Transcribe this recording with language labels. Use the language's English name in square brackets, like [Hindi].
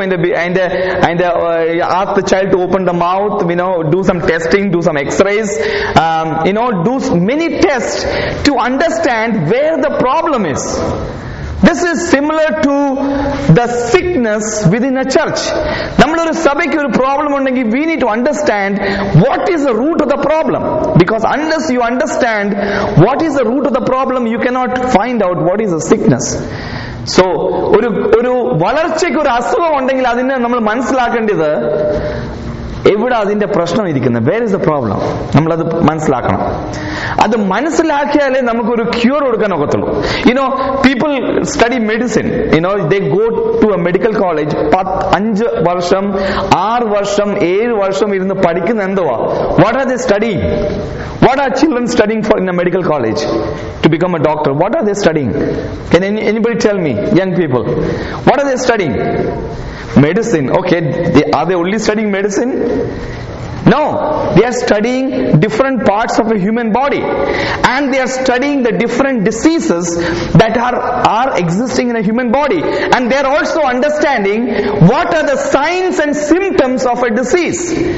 [English] അതിന്റെ after the child open the mouth, we know do some testing, do some x rays, you know do many test to understand where the problem is. This is similar to the sickness within a church. [Malayalam] Nammal oru sabaykku oru problem undengi, [English] we need to understand what is the root of the problem. Because unless you understand what is the root of the problem, you cannot find out what is the sickness. [Malayalam] So oru oru valarchikku oru asuvam undengil adine nammal manasilakkendathu എവിടെ അതിന്റെ പ്രശ്നം ഇരിക്കുന്നത്? [English] Where is the problem? [Malayalam] നമ്മളത് മനസ്സിലാക്കണം. അത് മനസ്സിലാക്കിയാലേ നമുക്കൊരു cure കൊടുക്കാൻ ഒക്കത്തുള്ളൂ. [English] you know, people study medicine, you know, they go to a medical college, [Malayalam] 5 വർഷം 6 വർഷം 7 വർഷം ഇരുന്ന് പഠിക്കുന്ന എന്തുവാ? [English] What are they studying? What are children studying for in a medical college to become a doctor? What are they studying? Can anybody tell me, young people, what are they studying? Medicine, okay, are they only studying medicine? No, they are studying different parts of a human body, and they are studying the different diseases that are existing in a human body, and they are also understanding what are the signs and symptoms of a disease.